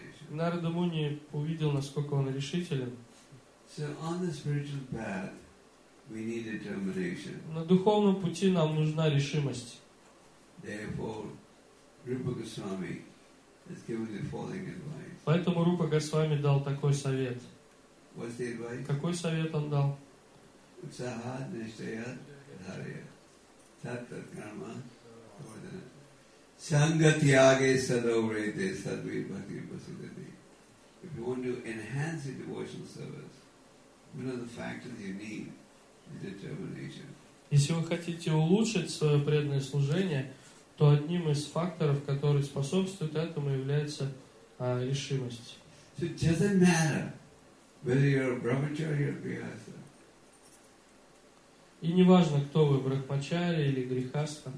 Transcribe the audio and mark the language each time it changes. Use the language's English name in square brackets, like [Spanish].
[Russian] Нарада Муни увидел, насколько он решителен. [English] So on the spiritual path, we need determination. [Russian] На духовном пути нам нужна решимость. [English] Therefore, Rupa Goswami has given the following advice. [Russian] Поэтому Рупа Госвами дал такой совет. [English] What's the advice? [Russian] Какой совет он дал? [Sanskrit] Utsahat nishtayat dharaya. Tattva karma. Sangatyage sadavrete sadvi bhakti pasitati. [English] If you want to enhance your devotional service, one of the factors you need is determination. [Russian] Если вы хотите улучшить свое преданное служение, то одним из факторов, который способствует этому, является решимость. [English] So it doesn't matter whether you're a brahmachari or a grihastha. [Russian] И не важно, кто вы, брахмачари или грихастха.